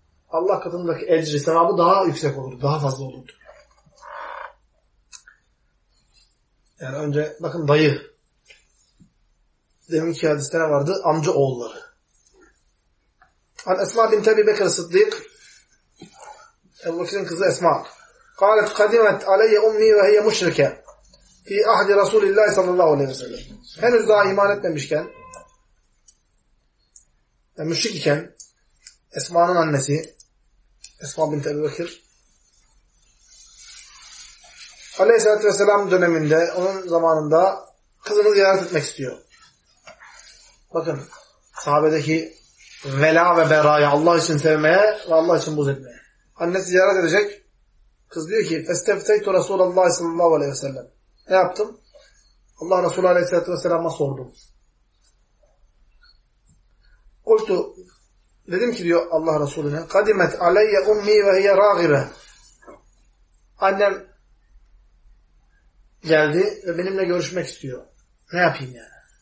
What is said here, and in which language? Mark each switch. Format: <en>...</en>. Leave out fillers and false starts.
<tr>Allah katındaki ecri, sevabı daha yüksek olurdu, daha fazla olurdu. Yani önce bakın dayı. Deminki hadiste ne vardı? Amca oğulları. Esma bint Ebi Bekir Sıddık. Ebu Bekir'in kızı Esma.</tr> <ar>قالت قدمت علي أمي وهي مشركة في عهد رسول الله صلى الله عليه وسلم.</ar> <tr>Henüz daha iman etmemişken, yani müşrik iken, Esma'nın annesi, Esma bint Ebi Bekir, Aleyhisselatü Vesselam döneminde, onun zamanında kızını ziyaret etmek istiyor. Bakın, sahabedeki vela ve berayı Allah için sevmeye ve Allah için buz etmeye. Annesi ziyaret edecek. Kız diyor ki,</tr> <ar>فَاسْتَفْتَيْتُ رَسُولَ اللّٰهِ صَلَى اللّٰهُ عَلَيْهِ وَسَلَّمْ</ar> <tr>Ne yaptım? Allah Resulü Aleyhisselatü Vesselam'a sordum.</tr> <ar>قُلْتُ</ar> <tr>Dedim ki diyor Allah Resulü'ne,</tr> <ar>قَدِمَتْ عَلَيَّ اُمِّي وَهِيَ رَاغِبَ</ar> <tr>Annem geldi ve benimle görüşmek istiyor. Ne yapayım yani?</tr>